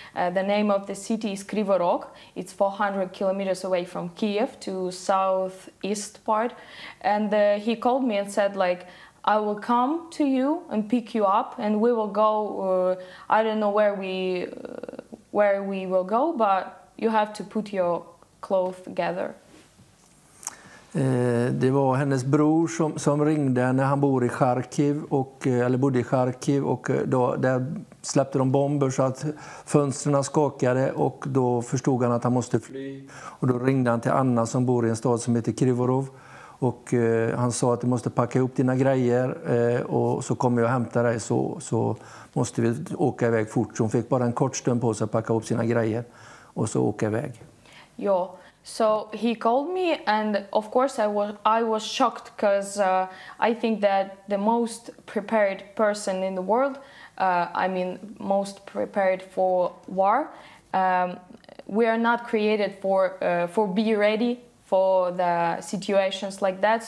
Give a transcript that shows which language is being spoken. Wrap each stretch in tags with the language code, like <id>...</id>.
<en>The name of the city is Kryvyi Rog. It's 400 kilometers away from Kiev to southeast part, and he called me and said, like, I will come to you and pick you up, and we will go. I don't know where we will go, but you have to put your clothes together.</en> <sv>Det var hennes bror som ringde när han bor i Kharkiv och eller bodde i Kharkiv, och då där släppte de bomber så att fönstren skakade, och då förstod han att han måste fly, och då ringde han till Anna som bor i en stad som heter Kryvyi Rog. Och han sa att du måste packa upp dina grejer och så kommer jag hämta dig, så måste vi åka iväg fort. Så hon fick bara en kort stund på sig att packa upp sina grejer och så åka iväg. Ja,</sv> <en>so he called me, and of course I was shocked, because I think that the most prepared person in the world, I mean most prepared for war, we are not created for be ready for the situations like that.</en>